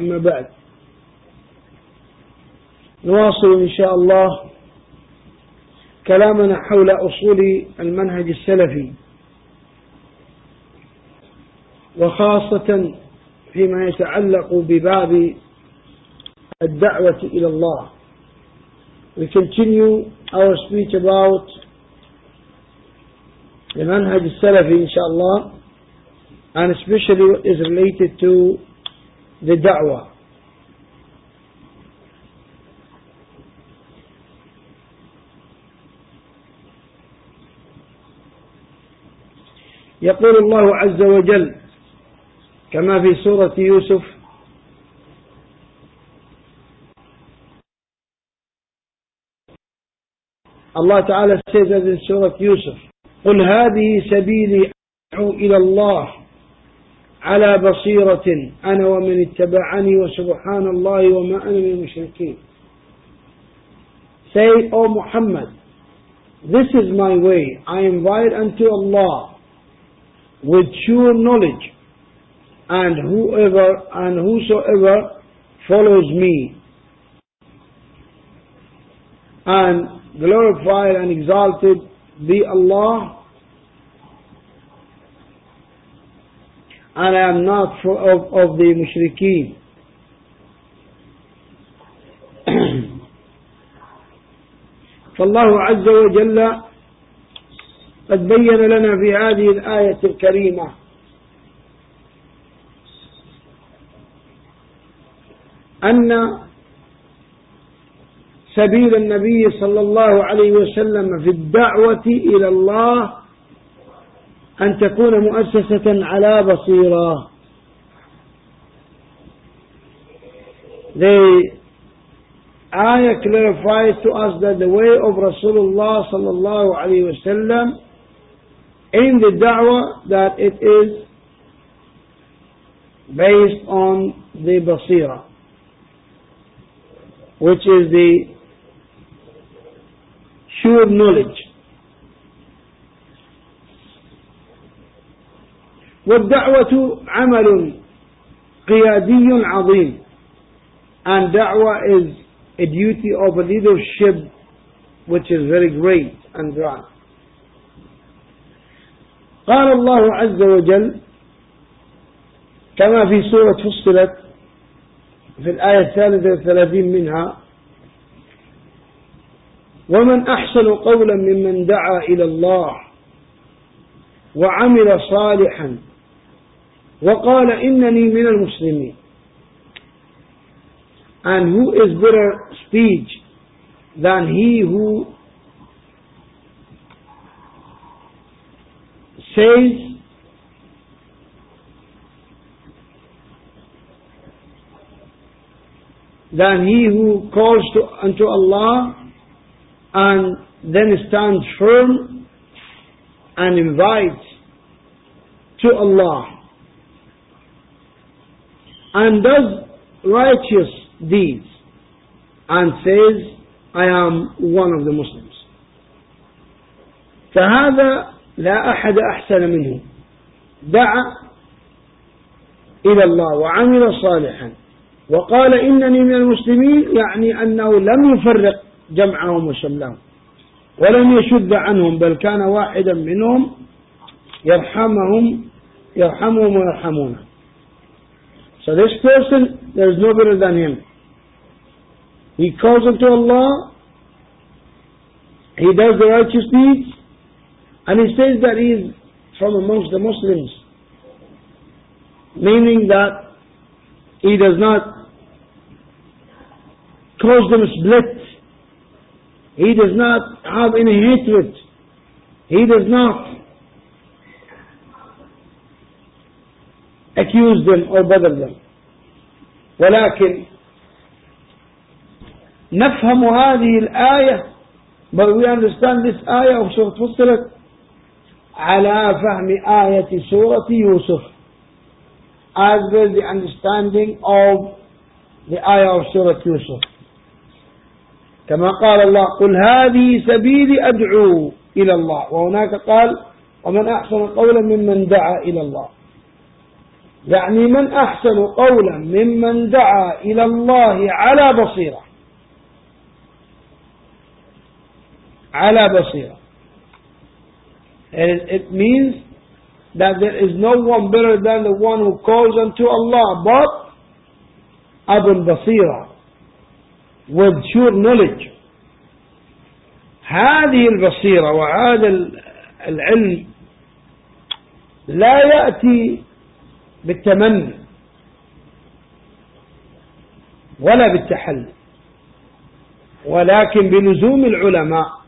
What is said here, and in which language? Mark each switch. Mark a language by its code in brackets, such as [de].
[ar] أما بعد، نواصل إن شاء الله كلامنا حول أصول المنهج السلفي وخاصة فيما يتعلق بباب الدعوة إلى الله. [en] We continue our speech about the manhaj salafi inshaAllah, and especially what is related to the da'wah. [ar] يقول الله عز وجل كما في سورة يوسف الله تعالى [en] says in [ar] سورة يوسف قل هذه سبيلي أدعو إلى الله على بصيرة أنا ومن اتبعني وسبحان الله وما أنا من المشركين. [en] Say, O Muhammad, this is my way. I invite unto Allah with sure knowledge, and whosoever follows me, and glorified and exalted be Allah, and I am not of the mushrikeen. [ar] فالله عز وجل قد بين لنا في هذه الآية الكريمة أن سبيل النبي صلى الله عليه وسلم في الدعوة إلى الله أن تكون مؤسسة على بصيرة. [en] The ayah clarifies to us that the way of Rasulullah [ar] صلى الله عليه وسلم [en] in the da'wah, that it is based on the basira, which is the sure knowledge. [ar] وَالدَّعْوَةُ عَمَلٌ قِيَادِيٌ عَظِيمٌ. [en] And da'wah is a duty of a leadership which is very great and grand. [ar] قال الله عز وجل كما في سورة فصلت في الآية 33 منها ومن أحسن قولا ممن دعا إلى الله وعمل صالحا وقال إنني من المسلمين. [en] And who is better speech than he who says, than he who calls to unto Allah and then stands firm and invites to Allah and does righteous deeds and says, I am one of the Muslims. [ar] فهذا لا أحد أحسن منه. دعا إلى الله وعمل صالحا وقال إنني من المسلمين، يعني أنه لم يفرق جمعهم وسلم ولم يشد عنهم، بل كان واحدا منهم يرحمهم ويرحمونه. [en] So this person, there is no better than him. He calls unto Allah, he does the righteous deeds, and he says that he is from amongst the Muslims, meaning that he does not cause them split. He does not have any hatred. He does not accuse them or bother them. [ar] ولكن نفهم هذه الآية, [en] but we understand this ayah of Surah Fussilat [ar] على فهم آية سورة يوسف, [en] as well the understanding of the ayah of Surah Yusuf. [ar] كما قال الله قل هذه سبيلي أدعو إلى الله, وهناك قال ومن أحسن قولا ممن دعا إلى الله, يعني من أحسن قولا ممن دعا إلى الله على بصيرة, على بصيرة. [en] And it means that there is no one better than the one who calls unto Allah but Abu al-Basir, with sure knowledge. [ar] هذه البصيرة وهذا العلم لا يأتي بالتمني ولا بالتحلي, ولكن بلزوم العلماء.